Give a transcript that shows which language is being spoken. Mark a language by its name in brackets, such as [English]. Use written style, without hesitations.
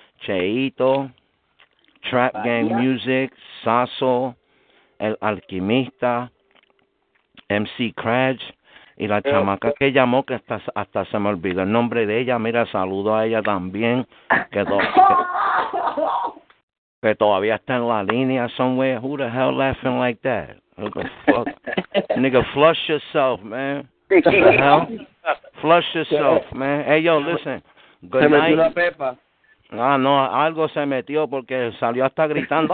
[Spanish] Cheito, Trap Gang Music, Sasso, El Alquimista, MC Kraj, y la chamaca que llamó, que hasta se me olvidó el nombre de ella. Mira, saludo a ella también, que todavía está en la línea somewhere. [English] Who the hell laughing like that? What the fuck? Nigga, flush yourself, man. What the hell? Flush yourself, yeah, man. Hey, yo, listen. Good se night. [Spanish] Metió una pepa. Ah, no, algo se metió porque salió hasta gritando.